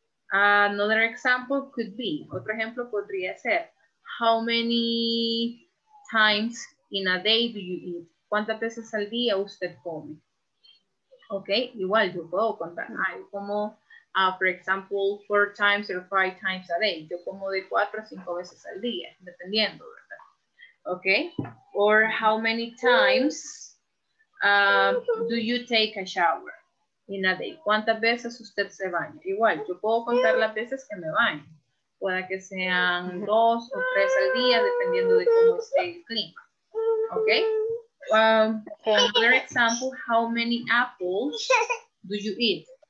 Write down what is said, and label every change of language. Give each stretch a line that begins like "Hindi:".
English: Another example could be,
Spanish: otro ejemplo podría ser,
English: how many times in a day do you eat?
Spanish: ¿Cuántas veces al día usted come?
English: Ok,
Spanish: igual yo puedo contar. Ay, como,
English: for example, 4 times or 5 times a day.
Spanish: Yo como de 4 a 5 veces al día, dependiendo.
English: Okay, or how many times do you take a shower in a day?
Spanish: ¿Cuántas veces usted se baña? Igual, yo puedo contar las veces que me baño. Puede que sean 2 o 3 al día, dependiendo de cómo esté el clima.
English: Okay, another example, how many apples do you eat?